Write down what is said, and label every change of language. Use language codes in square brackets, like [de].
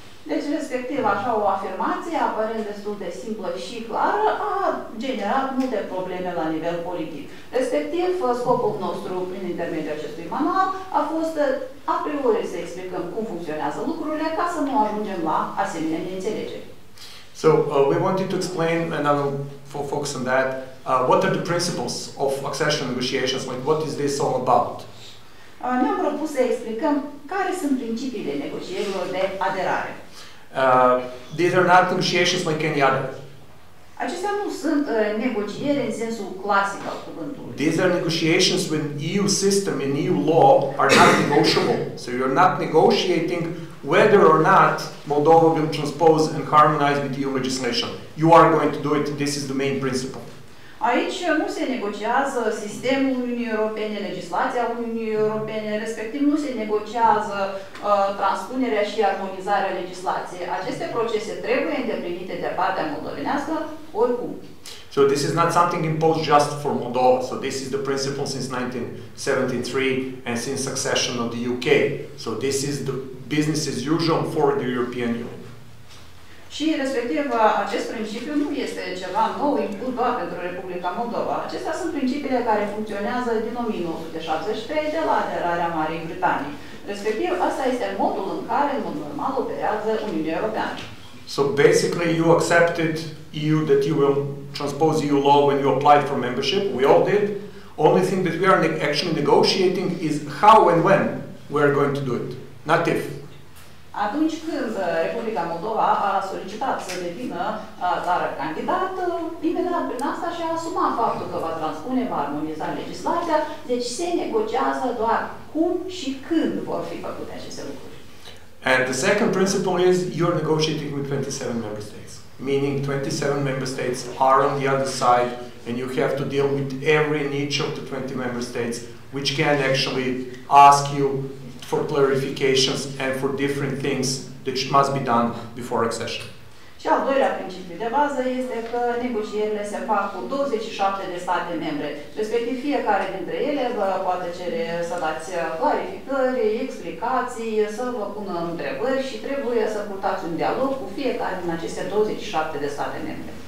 [ro] Deci, respectiv, așa o afirmație, aparent destul de simplă și clară, a generat multe probleme la nivel politic. Respectiv, scopul nostru, prin intermediul acestui manual, a fost a priori să explicăm cum funcționează lucrurile, ca să nu ajungem la asemenea neînțelegeri. [en] So, we wanted to explain, and I will focus on that, what are the principles of accession negotiations, like what is this all about? [ro] Ne-am propus să explicăm care sunt principiile negocierilor de aderare. [en] These are not negotiations like any other. [ro] Acestea nu sunt negocieri în sensul clasic al cuvântului. [en] These are negotiations when EU system and EU law are not negotiable. So you're not negotiating whether or not Moldova will transpose and harmonize with EU legislation. You are going to do it. This is the main principle. [ro] Aici nu se negociază sistemul Uniunii Europene, legislația Uniunii Europene, respectiv nu se negociază transpunerea și armonizarea legislației. Aceste procese trebuie îndeplinite de partea moldovenească oricum. [en] So this is not something imposed just for Moldova. So this is the principle since 1973 and since accession of the UK. So this is the business as usual for the European Union. [ro] Și respectiv acest principiu nu este ceva nou, impus doar pentru Republica Moldova. Acestea sunt principiile care funcționează din 1973, de la aderarea Marii Britanii. Respectiv, asta este modul în care, în mod normal, operează Uniunea Europeană. [en] So basically you accepted EU that you will transpose EU law when you applied for membership. We all did. Only thing that we are actually negotiating is how and when we are going to do it, not if. [ro] Atunci când Republica Moldova a solicitat să devină țară candidat, imediat prin asta și-a asumat faptul că va transpune, va armoniza legislația, deci se negociază doar cum și când vor fi făcute aceste lucruri. [en] And the second principle is you're negotiating with 27 member states, meaning 27 member states are on the other side and you have to deal with every niche of the 20 member states which can actually ask you for clarifications and for different things that must be done before accession. [ro] Și al doilea principiu de bază este că negocierile se fac cu 27 de state membre. Respectiv, fiecare dintre ele vă poate cere să dați clarificări, explicații, să vă pună întrebări și trebuie să purtați un dialog cu fiecare din aceste 27 de state membre.